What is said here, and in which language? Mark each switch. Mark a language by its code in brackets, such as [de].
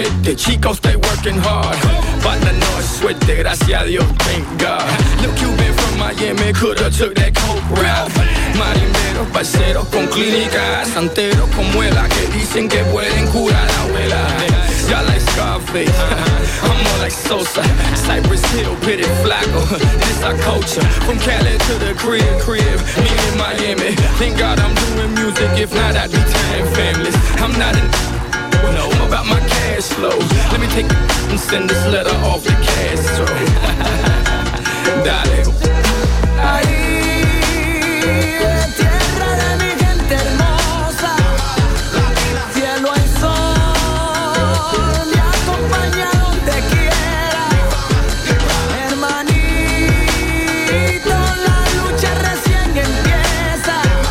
[es] Chico, [en] stay working hard. [es] Falta no es suerte, gracias a Dios, [en] thank God. Lil Cuban from Miami, coulda took that coke route. [es] Marimberos, parceros con clínicas, santeros con muela, que dicen que pueden curar a abuela. [en] Y'all like Scarface, I'm more like Sosa. Cypress Hill, Pitty Flaco, this our culture. From Cali to the crib, me in Miami. Thank God I'm doing music, if not I'd be tearing families. I'm not an no, I'm about my cash flow. Let me take and send this letter off to Castro. [es] Dale. Ahí, tierra de mi gente hermosa. Cielo y sol, me acompaña donde quiera. Hermanito, la lucha recién empieza.